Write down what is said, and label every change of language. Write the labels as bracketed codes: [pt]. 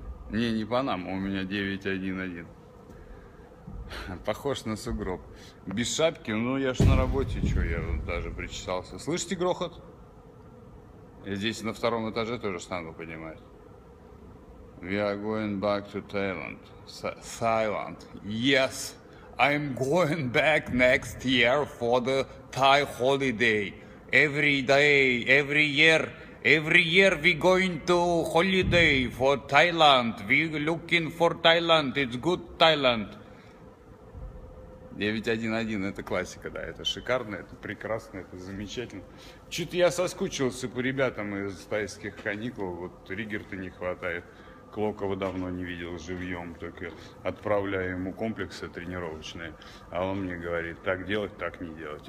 [ru] Не, не Панама, у меня 911. Похож на сугроб. Без шапки, ну я ж на работе, чё, я даже причесался. Слышите грохот? Я здесь на втором этаже тоже стану поднимать. [en] We are going back to Thailand. Thailand. Yes, I'm going back next year for the Thai holiday. Every day, every year. Every year we going to holiday for Thailand. We looking for Thailand. It's good Thailand. [ru] 911 это классика, да. Это шикарно, это прекрасно, это замечательно. Чуть я соскучился по ребятам из тайских каникул. Вот Ригерта не хватает. Клокова давно не видел живьем. Только отправляю ему комплексы тренировочные. А он мне говорит, так делать, так не делать.